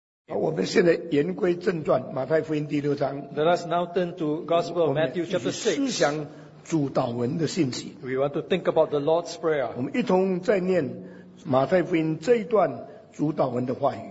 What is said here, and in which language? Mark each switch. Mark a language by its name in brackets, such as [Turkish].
[Chinese] 我们现在言归正传，马太福音第六章。 [English] Let us now turn to Gospel of Matthew chapter 6. [Chinese] 思想主祷文的信息。 [English] We want to think about the Lord's Prayer. [Chinese] 我们一同再念马太福音这一段主祷文的话语。